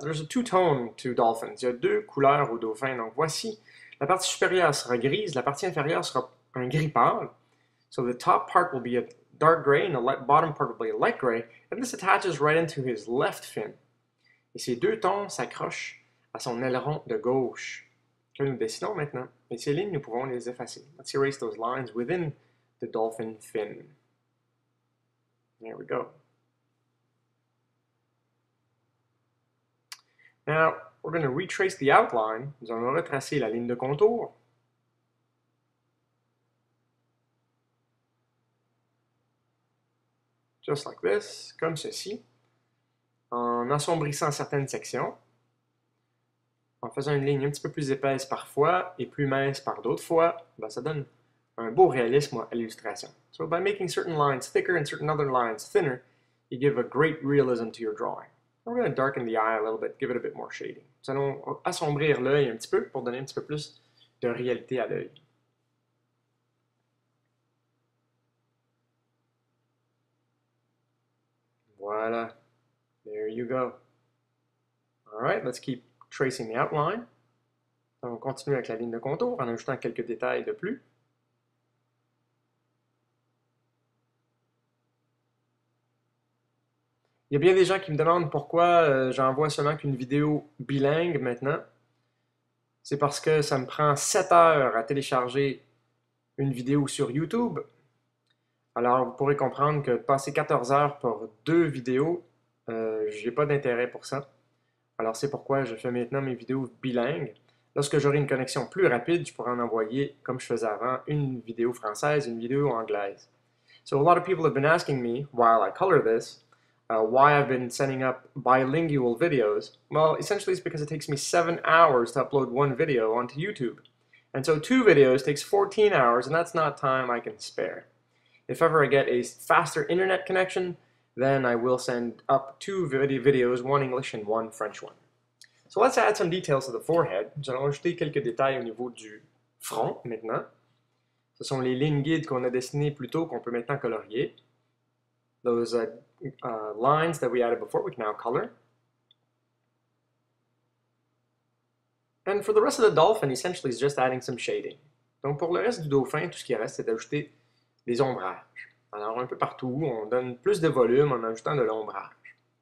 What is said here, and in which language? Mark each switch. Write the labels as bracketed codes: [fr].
[en] There's a two-tone to dolphins. [fr] Il y a deux couleurs aux dauphins. Donc voici, la partie supérieure sera grise, la partie inférieure sera un gris pâle. [en] So the top part will be a dark gray and the bottom part will be a light gray. And this attaches right into his left fin. [fr] Et ces deux tons s'accrochent à son aileron de gauche. Que nous dessinons maintenant. Et ces lignes, nous pouvons les effacer. [en] Let's erase those lines within the dolphin fin. There we go. Now, we're going to retrace the outline. [fr] Nous allons retracer la ligne de contour. [en] Just like this, [fr] comme ceci. En assombrissant certaines sections. En faisant une ligne un petit peu plus épaisse parfois et plus mince par d'autres fois, ben ça donne un beau réalisme à l'illustration. [en] So by making certain lines thicker and certain other lines thinner, you give a great realism to your drawing. We're going to darken the eye a little bit, give it a bit more shading. [fr] Nous allons assombrir l'œil un petit peu pour donner un petit peu plus de réalité à l'œil. Voilà. [en] There you go. All right, let's keep tracing the outline. [fr] Donc, on continue avec la ligne de contour en ajoutant quelques détails de plus. Il y a bien des gens qui me demandent pourquoi j'envoie seulement qu'une vidéo bilingue maintenant. C'est parce que ça me prend 7 heures à télécharger une vidéo sur YouTube. Alors, vous pourrez comprendre que passer 14 heures pour deux vidéos, j'ai pas d'intérêt pour ça. Alors, c'est pourquoi je fais maintenant mes vidéos bilingues. Lorsque j'aurai une connexion plus rapide, je pourrai en envoyer, comme je faisais avant, une vidéo française, une vidéo anglaise. [en] So, a lot of people have been asking me, while I color this, why I've been sending up bilingual videos. Well, essentially, it's because it takes me 7 hours to upload one video onto YouTube. And so, 2 videos takes 14 hours, and that's not time I can spare. If ever I get a faster internet connection, then I will send up 2 videos, 1 English and 1 French one. So let's add some details to the forehead. [fr] Nous allons ajouter quelques détails au niveau du front maintenant. Ce sont les lignes guides qu'on a dessinées plus tôt qu'on peut maintenant colorier. [en] those lines that we added before, we can now color. And for the rest of the dolphin, essentially, it's just adding some shading. [fr] Donc pour le reste du dauphin, tout ce qui reste, c'est d'ajouter des ombrages. Alors un peu partout, on donne plus de volume en ajoutant de l'ombrage.